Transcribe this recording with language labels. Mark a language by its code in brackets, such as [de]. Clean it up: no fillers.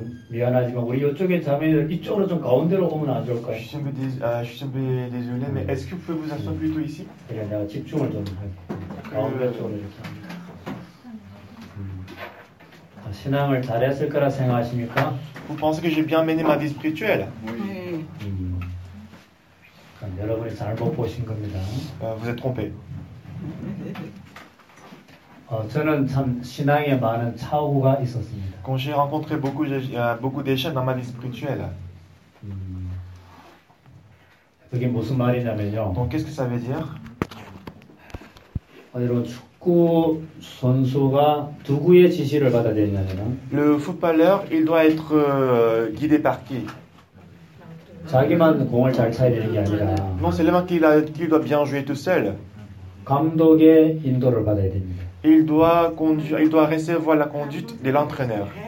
[ko] 미안하지만 우리 이쪽에 자매들 이쪽으로 좀 가운데로 오면 안 좋을까요? [fr] Je suis un peu désolé, mais est-ce que vous pouvez vous asseoir plutôt ici? [ko] 그래, 내가 집중을 좀 할게. 가운데 쪽으로 이렇게. 신앙을 잘했을 거라 생각하십니까? [fr] Vous pensez que j'ai bien mené ma vie spirituelle? Oui. [ko] 여러분이 잘못 보신 겁니다. [fr] Vous êtes trompé. [ko] 저는 참 신앙에 많은 차오가 있었습니다. [fr] Quand j'ai rencontré beaucoup d'échecs dans ma vie spirituelle. [ko] 그게 무슨 말이냐면요. [fr] Donc qu'est-ce que ça veut dire? [ko] 이런 축구 선수가 누구의 지시를 받아야 되냐면요. [fr] Le footballeur, il doit être guidé par qui? [ko] 자기만 공을 잘 차야 되는 게 아니라. [fr] Non seulement qu'il doit bien jouer tout seul. [ko] 감독의 인도를 받아야 됩니다. [fr] Il doit recevoir la conduite de l'entraîneur.